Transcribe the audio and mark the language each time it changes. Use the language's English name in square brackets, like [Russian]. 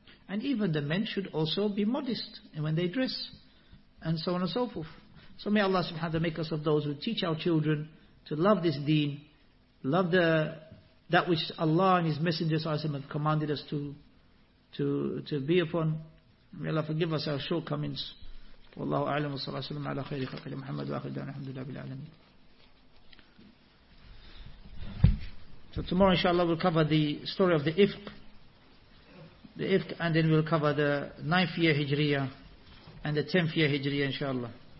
[English] And even the men should also be modest when they dress. And so on and so forth. So may Allah subhanahu wa ta'ala make us of those who teach our children to love this deen. Love that which Allah and His Messenger have commanded us to be upon. May Allah forgive us our shortcomings. [Arabic] والله أعلم وصلى الله وسلم على خير خلق محمد وآخر دعوانا الحمد لله رب العالمين. [English] So tomorrow inshallah we'll cover the story of the ifq, and then we'll cover the 9th year Hijriya and the 10th year Hijriya inshallah.